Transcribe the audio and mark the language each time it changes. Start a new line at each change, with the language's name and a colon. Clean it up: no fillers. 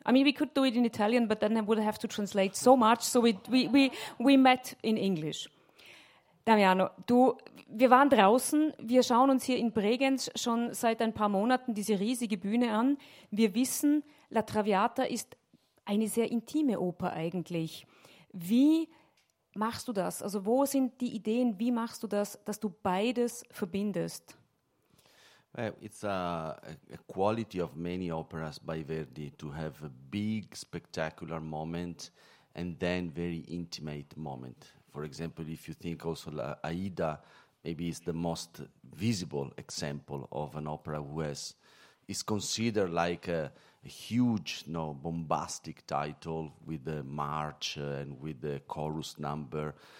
English: I mean, we could do it in Italian, but then I would have to translate so much, so we met in English.
German: Damiano, wir waren draußen, wir schauen uns hier in Bregenz schon seit ein paar Monaten diese riesige Bühne an. Wir wissen, La Traviata ist eine sehr intime Oper eigentlich. Wie machst du das? Also wo sind die Ideen, wie machst du das, dass du beides verbindest?
English: Well, it's a quality of many operas by Verdi to have a big spectacular moment and then very intimate moment. For example, if you think also Aida, maybe is the most visible example of an opera who is considered like a huge, bombastic title with the march and with the chorus number.